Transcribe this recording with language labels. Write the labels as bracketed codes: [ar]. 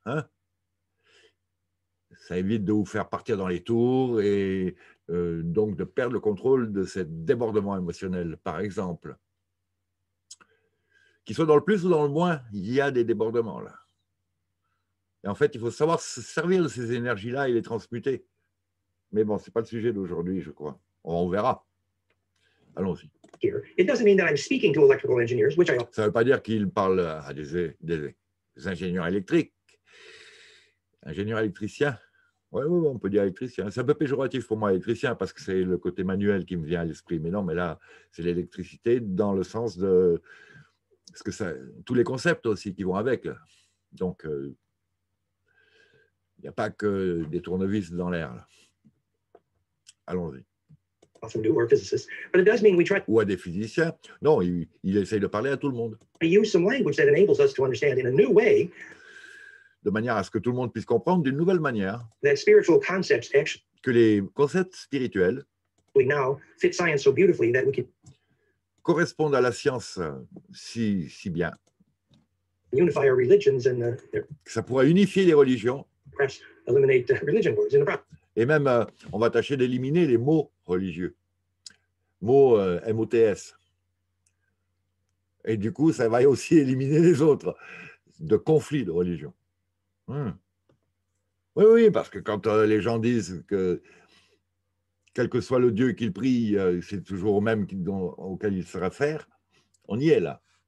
[fr] Hein, ça évite de vous faire partir dans les tours et donc de perdre le contrôle de ces débordements émotionnels, par exemple. Qu'ils soient dans le plus ou dans le moins, il y a des débordements là. Et en fait, il faut savoir se servir de ces énergies-là et les transmuter. Mais bon, ce n'est pas le sujet d'aujourd'hui, je crois. On verra. Allons-y. [en] Here. It doesn't mean that I'm speaking to electrical engineers, which I don't. [fr] Ça ne veut pas dire qu'il parle à des ingénieurs électriques. Ingénieurs électriciens. Oui, ouais, on peut dire électricien. C'est un peu péjoratif pour moi, électricien, parce que c'est le côté manuel qui me vient à l'esprit. Mais non, mais là, c'est l'électricité dans le sens de ce que ça, tous les concepts aussi qui vont avec. Donc, il n'y a pas que des tournevis dans l'air. Là. Allons-y. [en] Often do, or physicists, but it does mean we try. [fr] Ou à des physiciens. Non, il essaye de parler à tout le monde. [en] We use some language that enables us to understand in a new way. [fr] De manière à ce que tout le monde puisse comprendre d'une nouvelle manière. [en] That spiritual concepts actually. [fr] Que les concepts spirituels. [en] We now fit science so beautifully that we can. [fr] Correspondent à la science si bien. [en] Unify our religions and. [fr] Ça pourrait unifier les religions. [en] Perhaps eliminate religion words in the process. [fr] Et même, on va tâcher d'éliminer les mots religieux, mots M-O-T-S. Et du coup, ça va aussi éliminer les autres, de conflits de religion. Hmm. Oui, oui, parce que quand les gens disent que, quel que soit le Dieu qu'ils prient, c'est toujours au même auquel ils se réfèrent, on y est là.